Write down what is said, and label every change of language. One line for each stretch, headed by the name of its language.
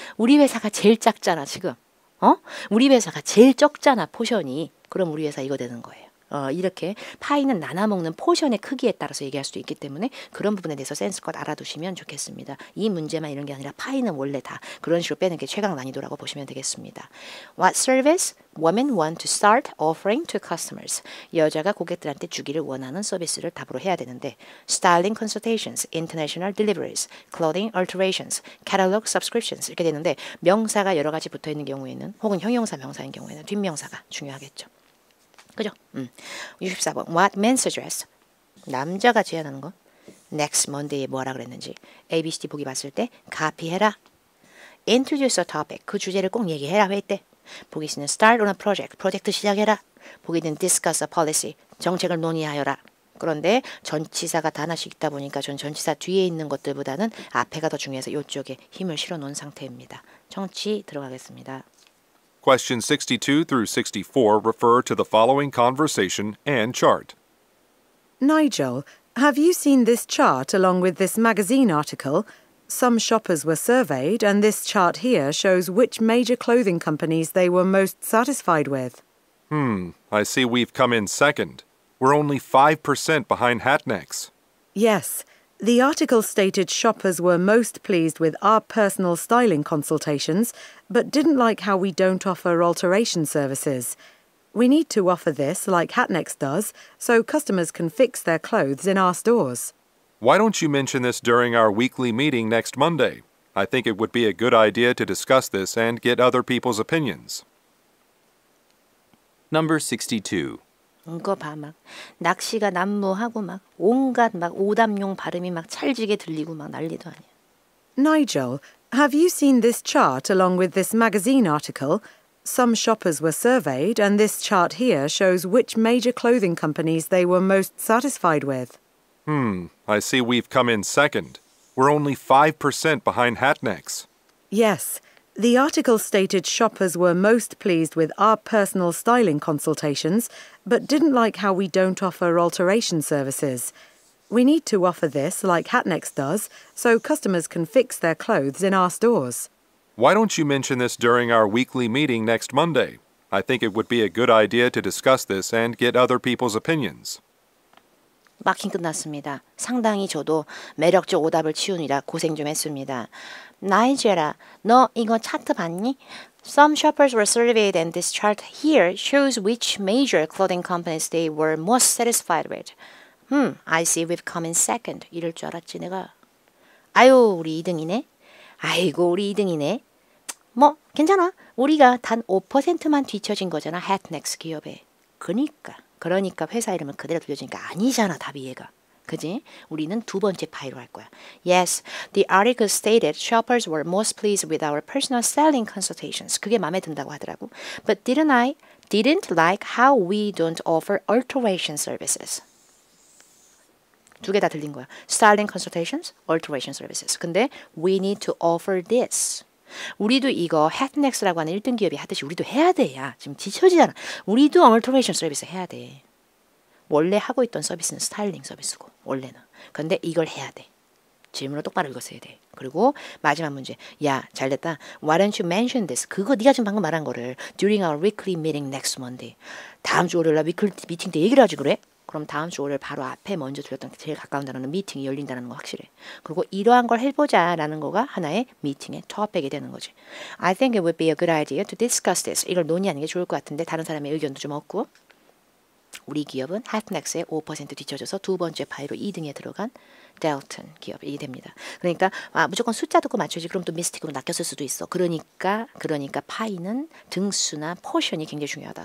Korean: 우리 회사가 제일 작잖아 지금. 우리 회사가 제일 적잖아 포션이. 그럼 우리 회사 이거 되는 거예요. 이렇게 파이는 나눠먹는 포션의 크기에 따라서 얘기할 수도 있기 때문에 그런 부분에 대해서 센스껏 알아두시면 좋겠습니다. 이 문제만 이런 게 아니라 파이는 원래 다 그런 식으로 빼는 게 최강 난이도라고 보시면 되겠습니다.
English: What service women want to start offering to customers?
Korean: 여자가 고객들한테 주기를 원하는 서비스를 답으로 해야 되는데
English: styling consultations, international deliveries, clothing alterations, catalog subscriptions
Korean: 이렇게 되는데 명사가 여러 가지 붙어있는 경우에는 혹은 형용사 명사인 경우에는 뒷명사가 중요하겠죠. 그죠? 64번.
English: What men's address?
Korean: 남자가 제안하는 거. Next Monday에 뭐하라 그랬는지. ABCD 보기 봤을 때 카피해라.
English: Introduce a topic.
Korean: 그 주제를 꼭 얘기해라 회의 때. 보기 있으면
English: start on a project.
Korean: 프로젝트 시작해라. 보기 있는
English: discuss a policy.
Korean: 정책을 논의하여라. 그런데 전치사가 다 하나씩 있다 보니까 전 전치사 뒤에 있는 것들보다는 앞에가 더 중요해서 이쪽에 힘을 실어 놓은 상태입니다. 청취 들어가겠습니다.
English: Question 62 through 64 refer to the following conversation and chart. Nigel, have you seen this chart along with this magazine article? Some shoppers were surveyed, and this chart here shows which major clothing companies they were most satisfied with. Hmm, I see we've come in second. We're only 5% behind Hatnecks. Yes, the article stated shoppers were most pleased with our personal styling consultations, but didn't like how we don't offer alteration services. We need to offer this, like Hatnecks does, so customers can fix their clothes in our stores. Why don't you mention this during our weekly meeting next Monday? I think it would be a good idea to discuss this and get other people's opinions. Number 62.
Korean: 이거 봐, 막 낚시가 난무하고 막 온갖 막 오담용 발음이 막 찰지게 들리고 막 난리도 아니야.
English: Nigel, have you seen this chart along with this magazine article? Some shoppers were surveyed, and this chart here shows which major clothing companies they were most satisfied with. Hmm, I see we've come in second. We're only 5% behind Hatnecks. Yes, the article stated shoppers were most pleased with our personal styling consultations, but didn't like how we don't offer alteration services. We need to offer this, like Hatnecks does, so customers can fix their clothes in our stores. Why don't you mention this during our weekly meeting next Monday? I think it would be a good idea to discuss this and get other people's opinions.
Korean: 마킹 끝났습니다. 상당히 저도 매력적 오답을 치우느라 고생 좀 했습니다. 나이젤아, 너 이거 차트 봤니?
English: Some shoppers were surveyed and this chart here shows which major clothing companies they were most satisfied with. I see we've come in second.
Korean: 이럴 줄 알았지 내가. 아유, 우리 2등이네. 아이고, 우리 2등이네. 뭐, 괜찮아. 우리가 단 5%만 뒤처진 거잖아, Hatnecks 기업에. 그니까. 그러니까 회사 이름을 그대로 들려주니까 아니잖아, 답이 얘가. 그지? 우리는 두 번째 파일로 할 거야.
English: Yes, the article stated shoppers were most pleased with our personal selling consultations.
Korean: 그게 마음에 든다고 하더라고.
English: But didn't like how we don't offer alteration services.
Korean: 두 개 다 들린 거야.
English: Styling consultations, alteration services.
Korean: 근데
English: we need to offer this.
Korean: 우리도 이거 Hatnecks라고 하는 1등 기업이 하듯이 우리도 해야 돼. 야, 지금 지쳐지잖아. 우리도 alteration 서비스 해야 돼. 원래 하고 있던 서비스는 스타일링 서비스고 원래는. 근데 이걸 해야 돼. 질문을 똑바로 읽었어야 돼. 그리고 마지막 문제. 야, 잘됐다.
English: Why don't you mention this?
Korean: 그거 네가 지금 방금 말한 거를
English: during our weekly meeting next Monday.
Korean: 다음 주 월요일날 weekly 미팅 때 얘기를 하지 그래? 그럼 다음 주 월요일 바로 앞에 먼저 들렸던 제일 가까운 단어는 미팅이 열린다는 거 확실해. 그리고 이러한 걸 해보자 라는 거가 하나의 미팅의 토픽이 되는 거지.
English: I think it would be a good idea to discuss this.
Korean: 이걸 논의하는 게 좋을 것 같은데 다른 사람의 의견도 좀 얻고. 우리 기업은 Hatnecks에 5% 뒤쳐져서 두 번째 파이로 2등에 들어간 Delton 기업이 됩니다. 그러니까 아, 무조건 숫자 듣고 맞춰야지. 그럼 또 미스틱으로 낚였을 수도 있어. 그러니까 파이는 등수나 포션이 굉장히 중요하다.